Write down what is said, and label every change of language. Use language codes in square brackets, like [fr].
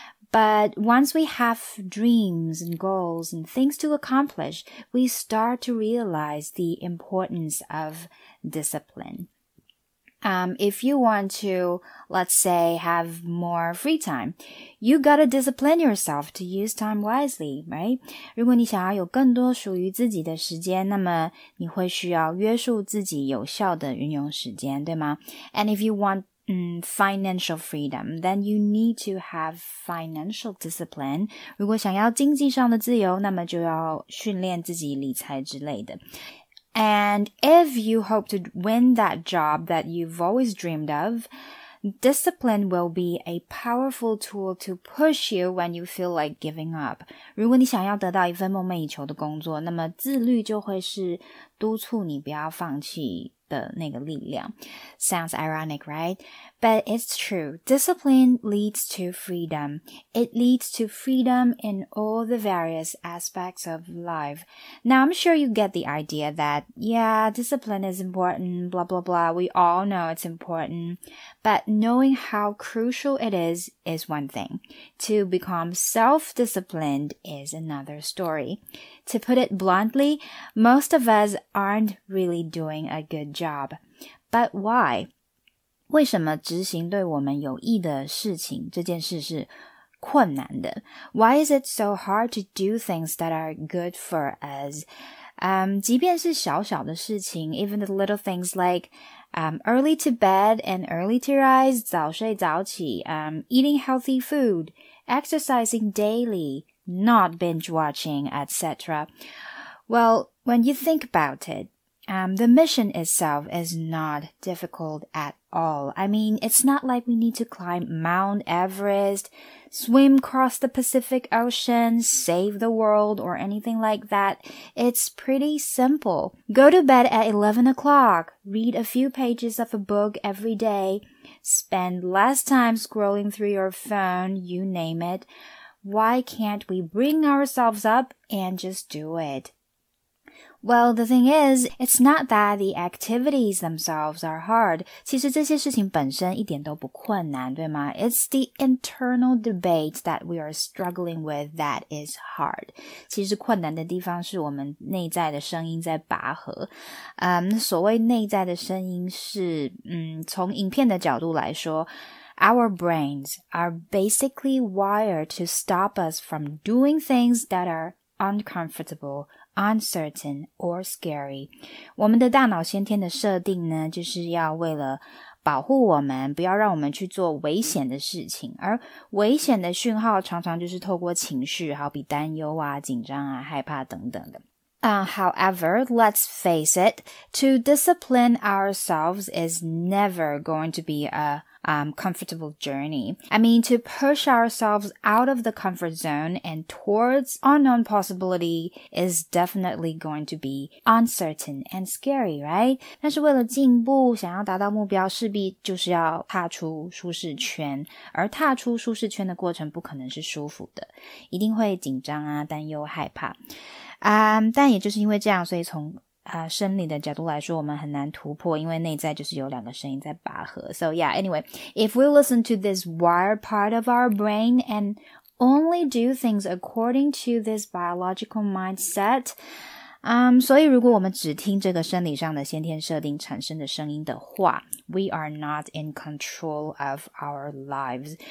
[en] But once we have dreams and goals and things to accomplish, we start to realize the importance of discipline. If you want to, let's say, have more free time, you gotta discipline yourself to use time wisely, right? [zh] 如果你想要有更多属于自己的时间，那么你会需要约束自己有效的运用时间，对吗？ [en] And if you want financial freedom, then you need to have financial discipline. [zh] 如果想要经济上的自由，那么就要训练自己理财之类的。 [en] And if you hope to win that job that you've always dreamed of, discipline will be a powerful tool to push you when you feel like giving up. [zh] 如果你想要得到一份梦寐以求的工作，那么自律就会是督促你不要放弃的那个力量。 [en] Sounds ironic, right? But it's true. Discipline leads to freedom. It leads to freedom in all the various aspects of life. Now, I'm sure you get the idea that, yeah, discipline is important, blah, blah, blah. We all know it's important. But knowing how crucial it is one thing. To become self-disciplined is another story. To put it bluntly, most of us aren't really doing a good job. But why? [zh] 为什么执行对我们有益的事情这件事是困难的 [en] ?Why is it so hard to do things that are good for us? [zh] 即便是小小的事情 [en] ,even the little things like, early to bed and early to rise, [zh] 早睡早起 [en] eating healthy food, exercising daily, not binge watching, etc. Well, when you think about it,the mission itself is not difficult at all. I mean, it's not like we need to climb Mount Everest, swim across the Pacific Ocean, save the world, or anything like that. It's pretty simple. Go to bed at 11 o'clock, read a few pages of a book every day, spend less time scrolling through your phone, you name it. Why can't we bring ourselves up and just do it? Well, the thing is, it's not that the activities themselves are hard. [zh] 其实这些事情本身一点都不困难，对吗？ [en] It's the internal debate that we are struggling with that is hard. [zh] 其实困难的地方是我们内在的声音在拔河。所谓内在的声音是，从影片的角度来说， [en] Our brains are basically wired to stop us from doing things that are uncomfortable,uncertain or scary. [zh] 我们的大脑先天的设定呢，就是要为了保护我们，不要让我们去做危险的事情。而危险的讯号常常就是透过情绪，好比担忧啊、紧张啊、害怕等等的。 [en] However, let's face it, to discipline ourselves is never going to be a comfortable journey. I mean, to push ourselves out of the comfort zone and towards unknown possibility is definitely going to be uncertain and scary, right? [zh] 但是为了进步，想要达到目标，势必就是要踏出舒适圈，而踏出舒适圈的过程不可能是舒服的，一定会紧张啊，担忧害怕。但也就是因为这样，所以从生理的角度来说，我们很难突破，因为内在就是有两个声音在拔河。 [en] So yeah, anyway, if we listen to this wired part of our brain and only do things according to this biological mindset, [zh] 所以如果我们只听这个生理上的先天设定产生的声音的话 [en] We are not in control of our lives.